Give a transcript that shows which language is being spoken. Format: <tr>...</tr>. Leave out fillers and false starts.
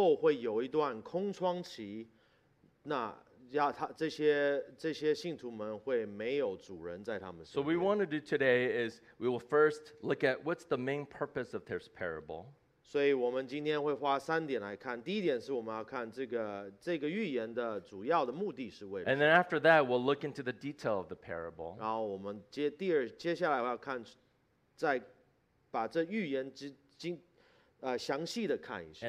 <zh>所以他们才心里会了解到，当耶稣上了十字架，三天之后复活，接下来升上天，升上天之后会有一段空窗期，那。</zh> <en>So we want to do today is we will first look at what's the main purpose of this parable.</en> <zh>所以我们今天会花三点来看。第一点是我们要看这个预言的主要的目的是为了。</zh> <en>And then after that, we'll look into the detail of the parable.</en> <zh>然后我们接第二，接下来我要看，再把这预言详细的看一下。</zh>